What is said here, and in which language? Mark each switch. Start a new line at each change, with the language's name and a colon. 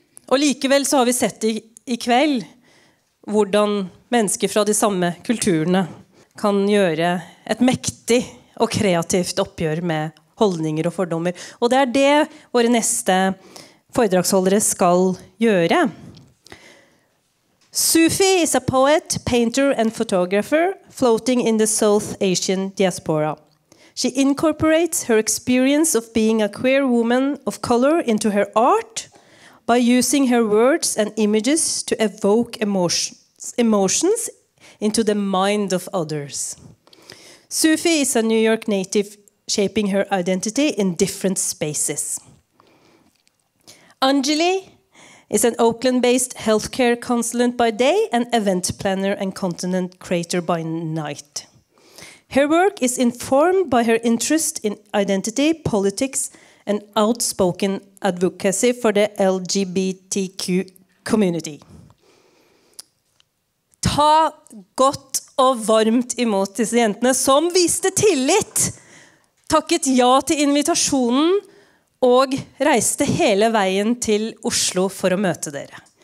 Norwegian: Og likevel så har vi sett I kveld hvordan mennesker fra de samme kulturene kan gjøre et mektig og kreativt oppgjør med holdninger og fordommer. Og det det våre neste foredragsholdere skal gjøre.
English: Sufi is a poet, painter and photographer floating in the South Asian diaspora. She incorporates her experience of being a queer woman of color into her art by using her words and images to evoke emotions into the mind of others. Sufi is a New York native shaping her identity in different spaces. Anjali is an Oakland-based healthcare consultant by day and event planner and content creator by night. Her work is informed by her interest in identity, politics, and outspoken advocacy for the LGBTQ community.
Norwegian: Ta godt og varmt imot disse jentene som viste tillit, takket ja til invitasjonen og reiste hele veien til Oslo for å møte dere.